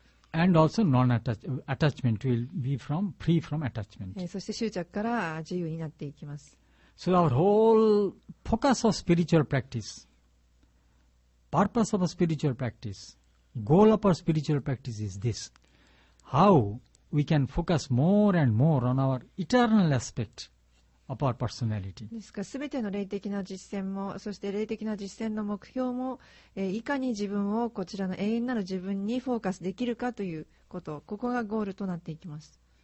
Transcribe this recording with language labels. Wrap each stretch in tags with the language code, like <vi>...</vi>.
<en>And also non-attachment will be from free from attachment.</en> <ja>そして執着から自由になっていきます。</ja> <en>So our whole focus of spiritual practice, purpose of a spiritual practice, goal of our spiritual practice is this. How we can focus more and more on our eternal aspect of our personality.</en> <ja>ですから、すべての霊的な実践も、そして霊的な実践の目標も、いかに自分をこちらの永遠なる自分にフォーカスできるかということ、ここがゴールとなっていきます。</ja>